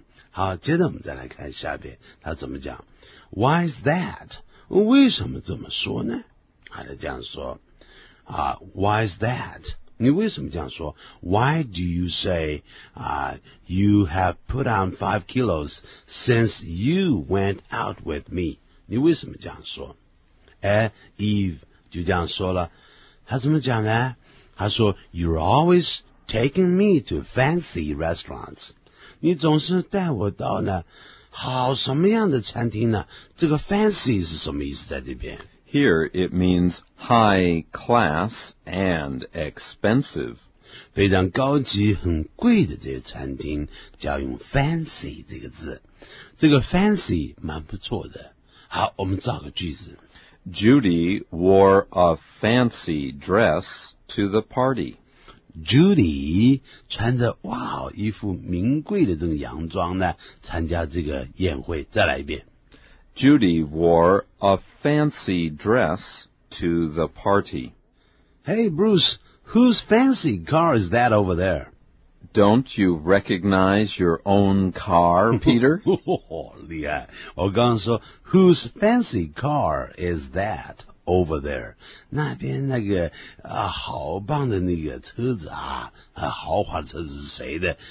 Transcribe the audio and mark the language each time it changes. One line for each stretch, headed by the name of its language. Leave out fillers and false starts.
Chinese: 好接着我们再来看下边他怎么讲。
English: Why is that?
Chinese: 为什么这么说呢他就这样说。
English: Why is that?
Chinese: 你为什么这样说
English: Why do you say、you have put on 5 kilos since you went out with me?
Chinese: 你为什么这样说 Eve 就这样说了他怎么讲呢他说
English: You're always taking me to fancy restaurants
Chinese: 你总是带我到呢好什么样的餐厅呢这个 fancy 是什么意思在这边
English: Here, it means high class and expensive.
Chinese: 非常高级很贵的这些餐厅就要用 fancy 这个字。这个 fancy 蛮不错的。好我们造个句子。
English: Judy wore a fancy dress to the party.
Chinese: Judy 穿着哇一副名贵的这个洋装呢参加这个宴会。再来一遍。
English: Judy wore a fancy dress to the party. Hey, Bruce, whose fancy car is that over there? Don't you recognize your own car, Peter?
Chinese: 厉害。我刚刚说,
English: whose fancy car is that over there?
Chinese: 那边那个、好棒的那个车子啊、豪华车子是谁的?